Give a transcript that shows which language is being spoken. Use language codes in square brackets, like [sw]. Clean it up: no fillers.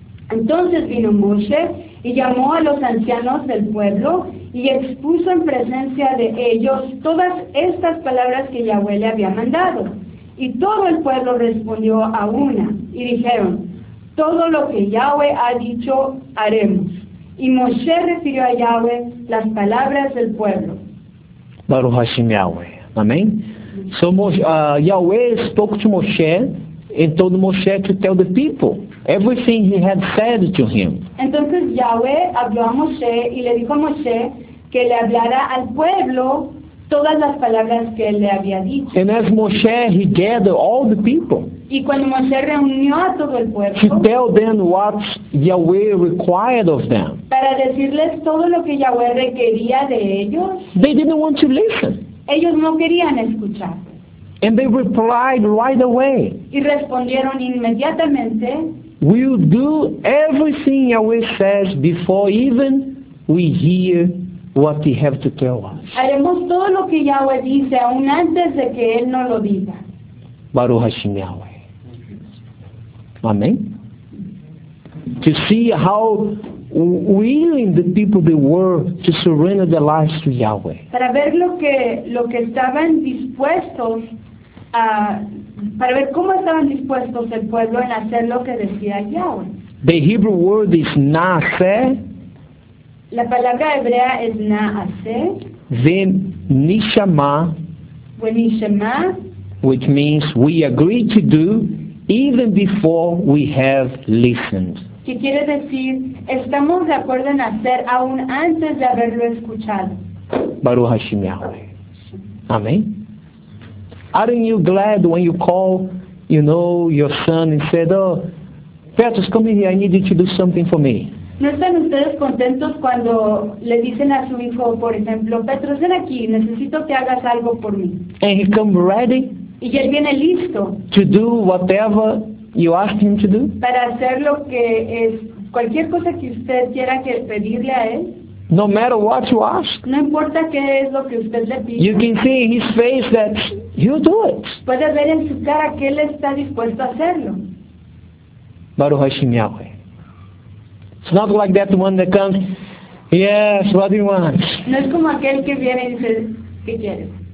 [es] Entonces vino Moshe y llamó a los ancianos del pueblo y expuso en presencia de ellos todas estas palabras que Yahweh le había mandado. Y todo el pueblo respondió a una y dijeron, todo lo que Yahweh ha dicho haremos. Y Moshe refirió a Yahweh las palabras del pueblo. [he] Baruch Hashem Yahweh. Amén. [en] So Yahweh spoke to Moshe and told Moshe to tell the people everything he had said to him. [es] Entonces Yahweh habló a Moshe y le dijo a Moshe que le hablara al pueblo todas las palabras que él le había dicho. [en] And as Moshe, he gathered all the people. [es] Y cuando Moshe reunió a todo el pueblo, [en] to tell them what Yahweh required of them. [es] Para decirles todo lo que Yahweh requería de ellos, [en] they didn't want to listen. [es] Ellos no querían escuchar. [en] And they replied right away. [es] Y respondieron inmediatamente. [en] We'll do everything Yahweh says before even we hear what he has to tell us. [es] Haremos todo lo que Yahweh dice aún antes de que él no lo diga. [he] Baruch Hashem Yahweh. Amen. [en] To see how willing the people they were to surrender their lives to Yahweh. [es] Para ver lo que estaban dispuestos a para ver cómo estaban dispuestos el pueblo en hacer lo que decía Yahweh. [en] The Hebrew word is na'aseh. [es] La palabra hebrea es na'aseh. [en] Then nishama. When nishama. Which means we agree to do even before we have listened. [es] Que quiere decir, estamos de acuerdo en hacer aún antes de haberlo escuchado. [he] Baruch Hashem Yahweh. Amén. [en] Aren't you glad when you call, you know, your son and said, Oh, Petrus, come here, I need you to do something for me. [es] ¿No están ustedes contentos cuando le dicen a su hijo, por ejemplo, Petrus, ven aquí, necesito que hagas algo por mí? [en] And he come ready. [es] Y él viene listo. [en] To do whatever you ask him to do. [es] Para hacer lo que es, cualquier cosa que usted quiera que pedirle a él. [en] No matter what you ask, [es] no importa qué es lo que usted le pide, [en] you can see in his face that he'll do it. [es] Puede ver en su cara que él está dispuesto a hacerlo. [he] Baruch Hashem Yahweh. [en] It's not like that one that comes, yes, what he wants. [es] No es como aquel que viene y dice, ¿qué quiere?